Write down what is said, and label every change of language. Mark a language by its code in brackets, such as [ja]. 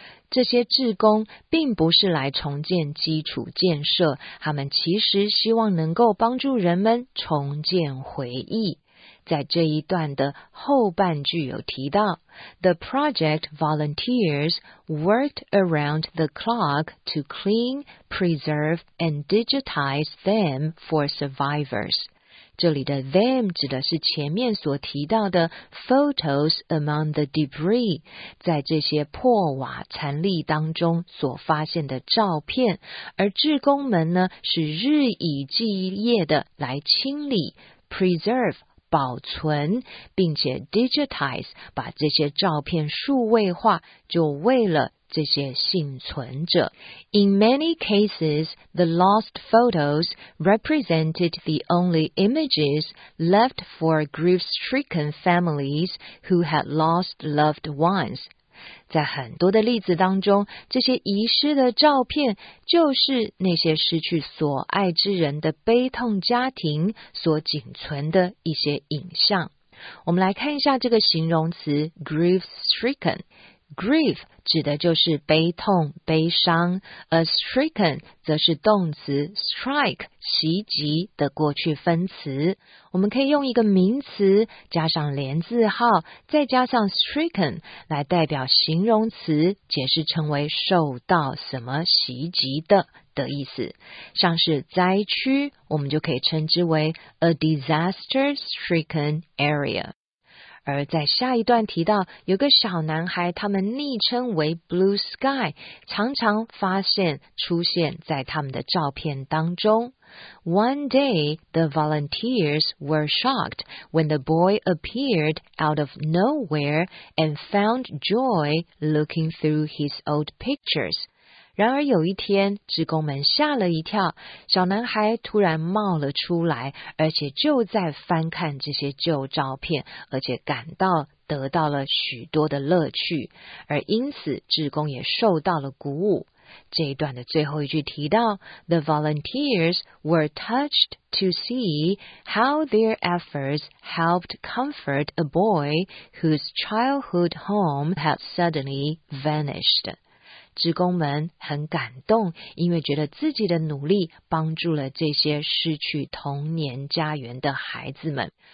[zh] 这些志工并不是来重建基础建设，他们其实希望能够帮助人们重建回忆。在这一段的后半句有提到 [en] The project volunteers worked around the clock to clean, preserve, and digitize them for survivors. [zh] 这里的 them 指的是前面所提到的 photos among the debris， 在这些破瓦残粒当中所发现的照片，而志工们呢是日以继夜的来清理 preserve 保存，并且 digitize 把这些照片数位化，就为了这些幸存者。 [en] In many cases, the lost photos represented the only images left for grief-stricken families who had lost loved ones. [zh] 在很多的例子当中，这些遗失的照片就是那些失去所爱之人的悲痛家庭所仅存的一些影像。我们来看一下这个形容词 grief-stricken。 Grief 指的就是悲痛、悲伤，而 stricken 则是动词 strike 袭击的过去分词。我们可以用一个名词加上连字号，再加上 stricken 来代表形容词，解释成为受到什么袭击的意思。像是灾区，我们就可以称之为 [en] a disaster-stricken area。 [zh] 而在下一段提到，有个小男孩，他们昵称为 Blue Sky， 常常发现出现在他们的照片当中。 [en] One day, the volunteers were shocked when the boy appeared out of nowhere and found joy looking through his old pictures. [zh] 然而有一天，职工们吓了一跳，小男孩突然冒了出来，而且就在翻看这些旧照片，而且感到得到了许多的乐趣，而因此职工也受到了鼓舞。这一段的最后一句提到 [en] The volunteers were touched to see how their efforts helped comfort a boy whose childhood home had suddenly vanished. [zh] 职工们很感动，因为觉得自己的努力帮助了这些失去童年家园的孩子们。